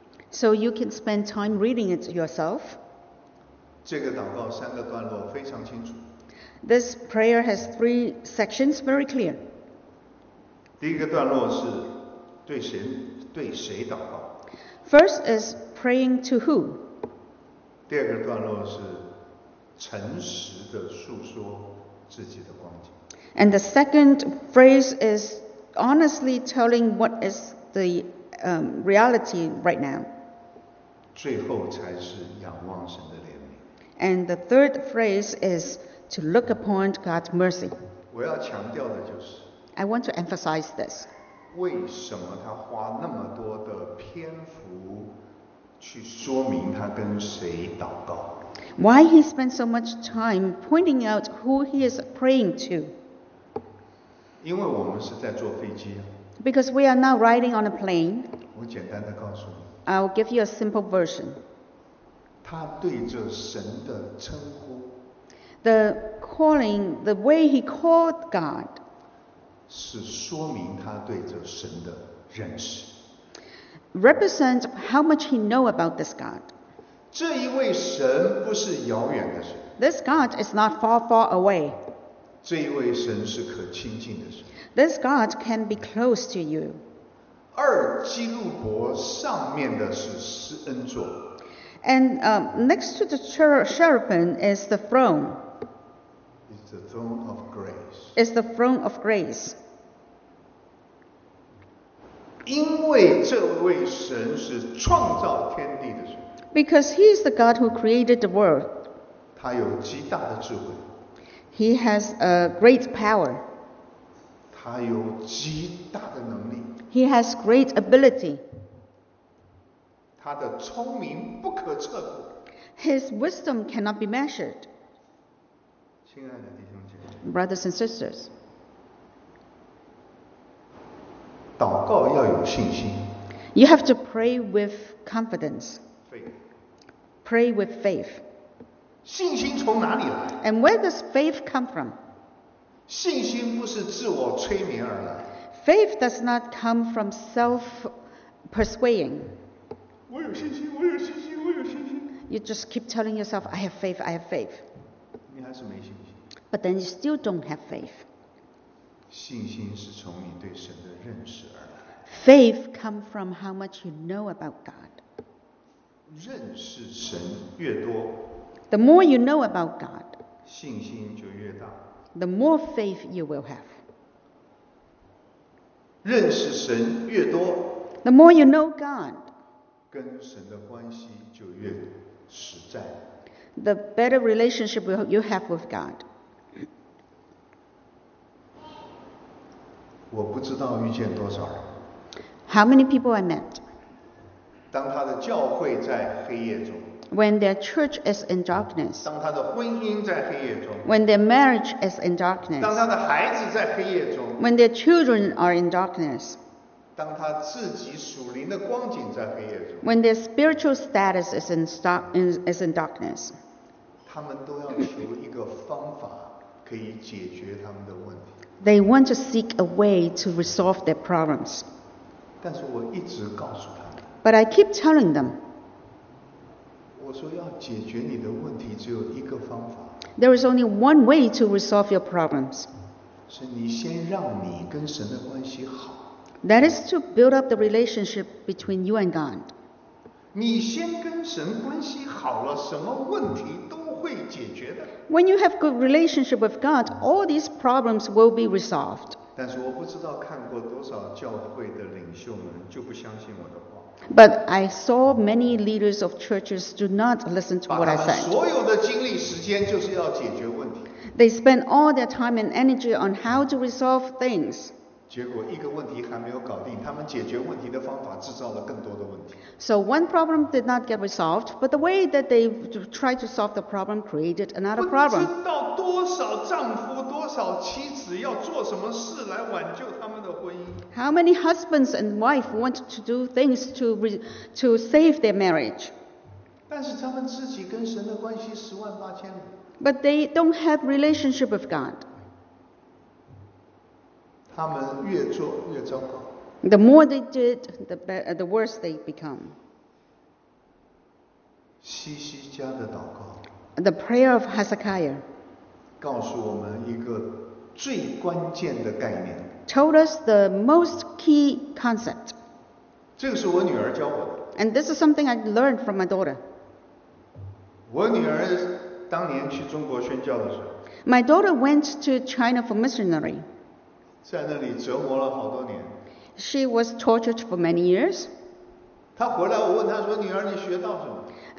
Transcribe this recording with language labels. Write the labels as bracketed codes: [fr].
[en] So you can spend time reading it yourself. [zh] 这个祷告三个段落非常清楚。 [en] This prayer has three sections very clear. [zh] 第一个段落是对谁祷告。 [en] First is praying to who? [zh] 第二个段落是诚实的诉说自己的光景。 [en] And the second phrase is honestly telling what is the reality right now. [zh] 最后才是仰望神的怜悯。 [en] And the third phrase is to look upon God's mercy. [zh] 我要强调的就是 [en] I want to emphasize this. [zh] 为什么他花那么多的篇幅去说明他跟谁祷告。 [en] Why he spent so much time pointing out who he is praying to? [zh] 因为我们是在坐飞机。 [en] Because we are now riding on a plane. [zh] 我简单的告诉你。 [en] I'll give you a simple version. [zh] 他对着神的称呼。 [en] The calling, the way he called God. [zh] 是说明他对着神的认识。 [en] Represents how much he knows about this God. [zh] 这一位神不是遥远的神。 [en] This God is not far, far away. [zh] 这一位神是可亲近的神。 [en] This God can be close to you. [zh] 二基路伯上面的是施恩座。 [en] And next to the cherubim is the throne. It's the throne of grace. It's the throne of grace. [zh] 因为这位神是创造天地的神。 [en] Because he is the God who created the world. [zh] 他有极大的智慧。 [en] He has a great power. [zh] 他有极大的能力。 [en] He has great ability. [zh] 他的聪明不可测。 [en] His wisdom cannot be measured. [zh] 亲爱的弟兄姐妹。 [en] Brothers and sisters. [zh] 祷告要有信心。 [en] You have to pray with confidence. Faith. Pray with faith. [zh] 信心从哪里来？ [en] And where does faith come from? [zh] 信心不是自我催眠而来。 [en] Faith does not come from self-persuading. [zh] 我有信心，我有信心，我有信心。 [en] You just keep telling yourself, I have faith, I have faith. [zh] 你还是没信心。 [en] But then you still don't have faith. [zh] 信心是从你对神的认识而来。 [en] Faith comes from how much you know about God. [zh] 认识神越多。 [en] The more you know about God. [zh] 信心就越大。 [en] The more faith you will have. [zh] 认识神越多。 [en] The more you know God. [zh] 跟神的关系就越实在。 [en] The better relationship you have with God. [zh] 我不知道遇见多少人。 [en] How many people I met? [zh] 当他的教会在黑夜中。 [en] When their church is in darkness. [zh] 当他的婚姻在黑夜中。 [en] When their marriage is in darkness. [zh] 当他的孩子在黑夜中。 [en] When their children are in darkness. [zh] 当他自己属灵的光景在黑夜中。 [en] When their spiritual status is in darkness. [zh] 他们都要求一个方法可以解决他们的问题。 [en] They want to seek a way to resolve their problems. [zh] 但是我一直告诉他们。 [en] But I keep telling them. [zh] 我说要解决你的问题只有一个方法。 [en] There is only one way to resolve your problems. [zh] 是你先让你跟神的关系好。 [en] That is to build up the relationship between you and God. [zh] 你先跟神关系好了，什么问题都会解决的。 [en] When you have good relationship with God, all these problems will be resolved. [zh] 但是我不知道看过多少教会的领袖们就不相信我的话。 [en] But I saw many leaders of churches do not listen to what I said. [zh] 把他们所有的精力时间就是要解决问题。 [en] They spend all their time and energy on how to resolve things. [zh] 结果一个问题还没有搞定，他们解决问题的方法制造了更多的问题。 [en] So one problem did not get resolved, but the way that they tried to solve the problem created another problem. [zh] 不知道多少丈夫、多少妻子要做什么事来挽救他们的婚姻。 [en] How many husbands and wives want to do things to save their marriage? [zh] 但是他们自己跟神的关系十万八千里。 [en] But they don't have relationship with God. [zh] 他们越做越糟糕。 [en] The more they did, the worse they become. [zh] 西西家的祷告。 [en] The prayer of Hezekiah. [zh] 告诉我们一个最关键的概念。 [en] Told us the most key concept. [zh] 这个是我女儿教我的。 [en] And this is something I learned from my daughter. [zh] 我女儿当年去中国宣教的时候， [en] My daughter went to China for missionary. [zh] 在那里折磨了好多年。 [en] She was tortured for many years. [zh] 她回来，我问她说：“女儿，你学到什么？”